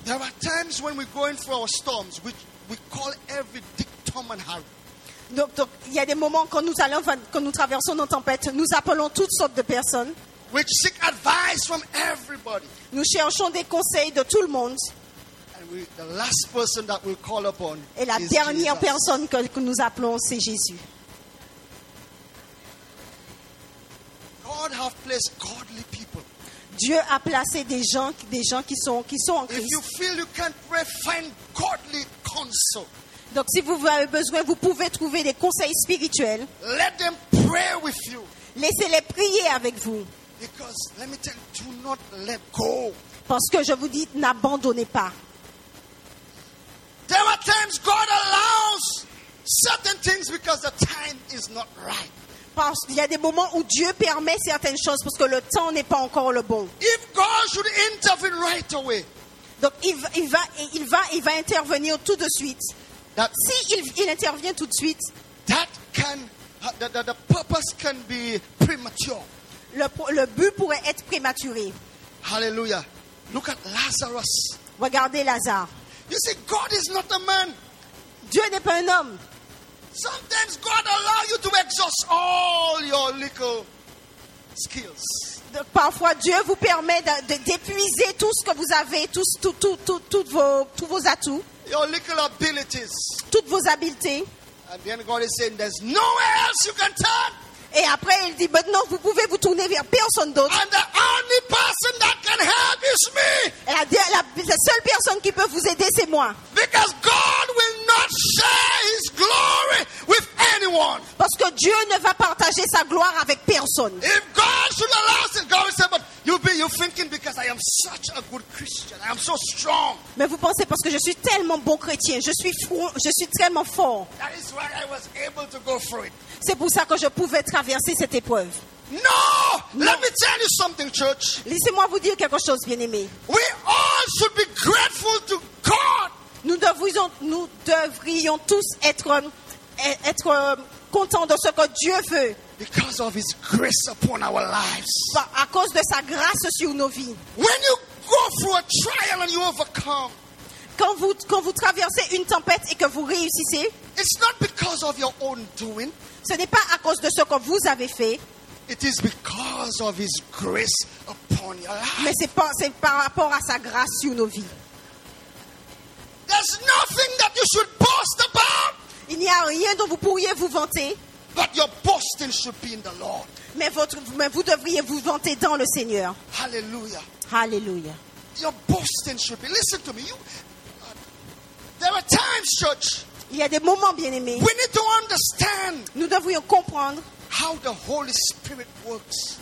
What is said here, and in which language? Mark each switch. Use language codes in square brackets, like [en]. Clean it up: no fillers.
[en] There are times when we go in for our storms, which we call every Dick, Tom and Harry. [fr] Donc, il y a des moments quand nous traversons nos tempêtes, nous appelons toutes sortes de personnes. [en] We seek advice from everybody. [fr] Nous cherchons des conseils de tout le monde. [en] And the last person that we call upon is Jesus. [fr] Et la dernière personne que nous appelons, c'est Jésus. [en] God has placed godly people. [fr] Dieu a placé des gens qui sont en Christ. [en] If you feel you can pray, find godly counsel. [fr] Donc si vous avez besoin, vous pouvez trouver des conseils spirituels. [en] Let them pray with you. [fr] Laissez-les prier avec vous. [en] Because let me tell you, do not let go. [fr] Parce que je vous dis, n'abandonnez pas. [en] There are times God allows certain things because the time is not right. [fr] Parce qu'il y a des moments où Dieu permet certaines choses parce que le temps n'est pas encore le bon. [en] If God should intervene right away, [fr] donc il va intervenir tout de suite. [en] That, [fr] si il intervient tout de suite, [en] that can, the purpose can be premature. [fr] Le but pourrait être prématuré. [en] Hallelujah. Look at Lazarus. [fr] Regardez Lazare. [en] You see, God is not a man. [fr] Dieu n'est pas un homme. [en] Sometimes God allows you to exhaust all your little skills. [fr] Donc parfois Dieu vous permet d'épuiser tout ce que vous avez, tous vos atouts. [en] Your little abilities. [fr] Toutes vos habiletés. [en] And then God is saying, there's nowhere else you can turn. [fr] Et après il dit, maintenant vous pouvez vous tourner vers personne d'autre. [en] And the only person that can help is me. [fr] Et la seule personne qui peut vous aider, c'est moi. [en] Because God will not share his glory with anyone. [fr] Parce que Dieu ne va partager sa gloire avec personne. [en] If God should allow it, God will say, but you'll be thinking because I am such a good Christian. I'm so strong. [fr] Mais vous pensez parce que je suis tellement bon chrétien, je suis tellement fort. [en] That is why I was able to go through it. [fr] C'est pour ça que je pouvais traverser cette épreuve. [en] No! Let me tell you something, church. [fr] Laissez-moi vous dire quelque chose, bien-aimé. [en] We all should be grateful to God. [fr] Nous devrions tous être contents de ce que Dieu veut. [en] Because of his grace upon our lives. [fr] À cause de sa grâce sur nos vies. [en] When you go through a trial and you overcome. [fr] Quand vous traversez une tempête et que vous réussissez. [en] It's not because of your own doing. [fr] Ce n'est pas à cause de ce que vous avez fait. [en] It is because of his grace upon your life. [fr] Mais c'est par rapport à sa grâce sur nos vies. [en] There's nothing that you should boast about. [fr] Il n'y a rien dont vous pourriez vous vanter. [en] But your boasting should be in the Lord. [fr] Mais vous devriez vous vanter dans le Seigneur. Hallelujah. Hallelujah. [en] Your boasting should be. Listen to me. There are times, church. [fr] Il y a des moments, bien-aimés. [en] We need to understand. [fr] Nous devrions comprendre. [en] How the Holy Spirit works.